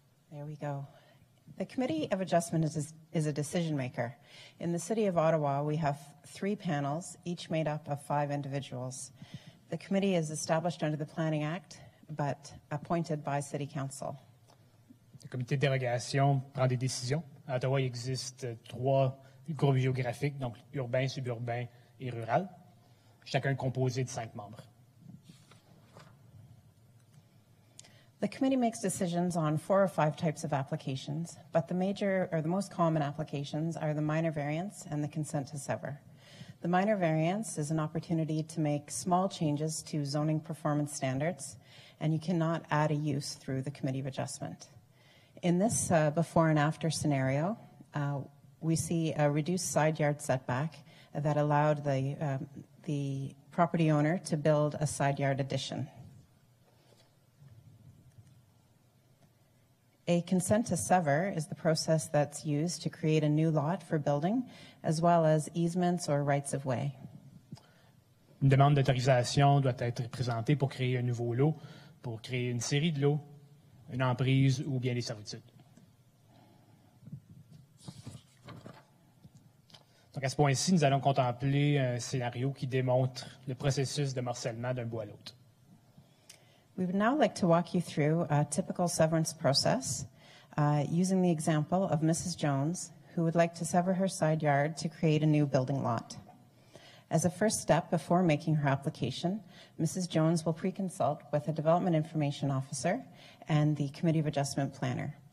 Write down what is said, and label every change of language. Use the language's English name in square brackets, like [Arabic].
[English] There we go. The Committee of Adjustment is a decision maker. In the City of Ottawa, we have three panels, each made up of five individuals. The committee is established under the Planning Act, but appointed by City Council. [French] Le comité de dérogation prend des décisions. À Ottawa, il existe trois groupes géographiques, donc urbain, suburbain et rural, chacun composé de cinq membres. [English] The committee makes decisions on four or five types of applications, but the major or the most common applications are the minor variance and the consent to sever. The minor variance is an opportunity to make small changes to zoning performance standards, and you cannot add a use through the committee of adjustment. In this before and after scenario, we see a reduced side yard setback that allowed the property owner to build a side yard addition. A consent to sever is the process that's used to create a new lot for building, as well as easements or rights of way. [French] Une demande d'autorisation doit être présentée pour créer un nouveau lot, pour créer une série de lots, une emprise ou bien des servitudes. Donc à ce point-ci, nous allons contempler un scénario qui démontre le processus de morcellement d'un bout à l'autre. [English] We would now like to walk you through a typical severance process using the example of Mrs. Jones, who would like to sever her side yard to create a new building lot. As a first step before making her application, Mrs. Jones will pre-consult with a development information officer and the committee of adjustment planner.